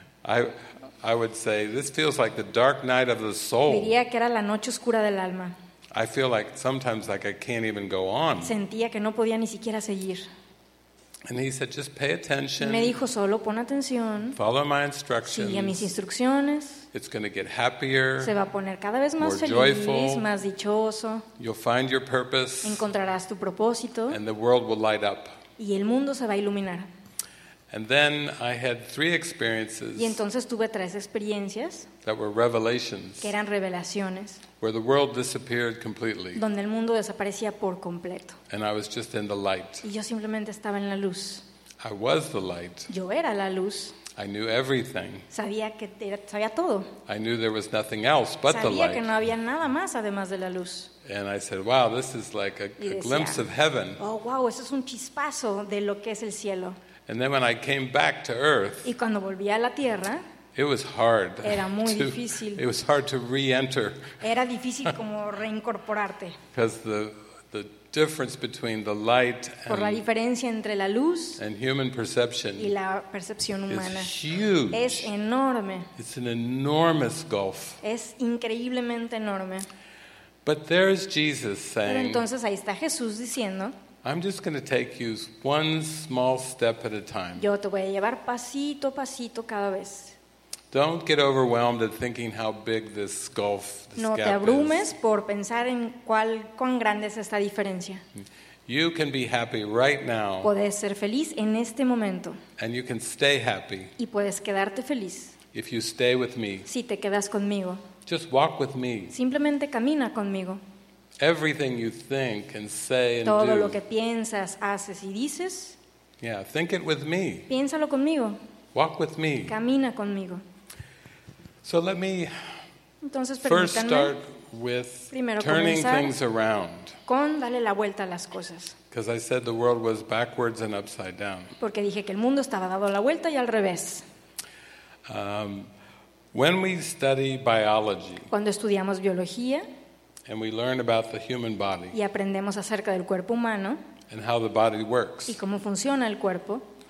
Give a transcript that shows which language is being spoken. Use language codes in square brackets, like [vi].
[en] I would say this feels like the dark night of the soul. [es] Diría que era la noche oscura del alma. [en] I feel like sometimes like I can't even go on. [es] Sentía que no podía ni siquiera seguir. [en] And he said, just pay attention. [es] Me dijo, solo pon atención. [en] Follow my instructions. [es] Sigue mis instrucciones. [en] It's going to get happier. [es] Se va a poner cada vez más [en] more [es] feliz, [en] joyful. [es] Más dichoso. [en] You'll find your purpose. [es] Encontrarás tu propósito. [en] And the world will light up. [es] Y el mundo se va a iluminar. [en] And then I had three experiences. [es] Y entonces tuve tres experiencias. [en] That were revelations. [es] Que eran revelaciones. [en] Where the world disappeared completely. [es] Donde el mundo desaparecía por completo. [en] And I was just in the light. [es] Y yo simplemente estaba en la luz. [en] I was the light. [es] Yo era la luz. [en] I knew everything. [es] Sabía que era, sabía todo. [en] I knew there was nothing else but [es] sabía [en] the light. [es] Sabía que no había nada más además de la luz. [en] And I said, "Wow, this is like a glimpse of heaven." [es] Oh, wow, eso es un chispazo de lo que es el cielo. [en] And then when I came back to earth, [es] y cuando volví a la tierra, [en] it was hard. [es] Era muy difícil. [en] It was hard to re-enter. [es] Era difícil como reincorporarte. [en] Because the difference between the light and, [es] por la diferencia entre la luz [en] and human perception [es] y la percepción humana [en] is huge. [es] Es enorme. [en] It's an enormous gulf. [es] Es increíblemente enorme. [en] But there is Jesus saying, [es] pero entonces ahí está Jesús diciendo, [en] I'm just going to take you one small step at a time. [es] Yo te voy a llevar pasito a pasito cada vez. [en] Don't get overwhelmed at thinking how big this gulf, this [es] no [en] gap is. [es] No te abrumes por pensar en cuán grande es esta diferencia. [en] You can be happy right now. [es] Puedes ser feliz en este momento. [en] And you can stay happy. [es] Y puedes quedarte feliz. [en] If you stay with me. [es] Si te quedas conmigo. [en] Just walk with me. [es] Simplemente camina conmigo. [en] Everything you think and say and [es] todo [en] do. [es] Lo que piensas, haces y dices. [en] Yeah, think it with me. [es] Piénsalo conmigo. [en] Walk with me. [es] Camina conmigo. [en] So let me [es] entonces, [en] first start with [es] primero, [en] turning things around. [es] Con darle la vuelta a las cosas. [en] Because I said the world was backwards and upside down. [es] Porque dije que el mundo estaba dado la vuelta y al revés. [en] When we study biology. [es] Cuando estudiamos biología. [en] And we learn about the human body. [es] Y aprendemos acerca del cuerpo humano. [en] And how the body works. [es] Y cómo funciona el cuerpo.